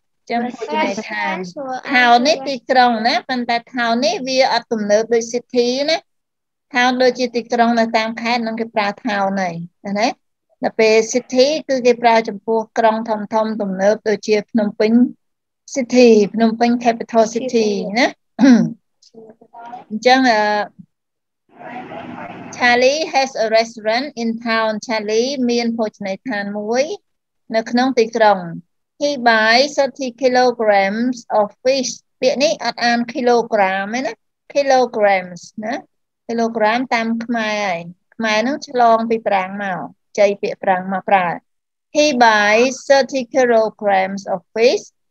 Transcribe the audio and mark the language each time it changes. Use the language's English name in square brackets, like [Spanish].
[Khmer] ចាំភោជនីយដ្ឋាន town នេះទីក្រុងណាប៉ុន្តែ town នេះវាអត់ទំនើបដូច city ណា town ដូចជាទីក្រុងនៅតាមខេត្តហ្នឹងគេប្រើ town ហីណាដល់ពេល city គឺគេប្រើចំពោះក្រុងធំធំទំនើបដូចជាភ្នំពេញ city ភ្នំពេញ capital city ណាអញ្ចឹង [English] Charlie has a restaurant in town. [Khmer] Charlie មានភោជនីយដ្ឋានមួយនៅក្នុងទីក្រុង. [English] He buys 30 kilograms of fish. [Khmer] ពាក្យនេះអត់អាន kilogram ទេណា kilograms ណា kilogram តាមខ្មែរហើយខ្មែរហ្នឹងឆ្លងពីប្រាំងមកចៃពាក្យប្រាំងមកប្រើ. [English] He buys 30 kilograms of fish.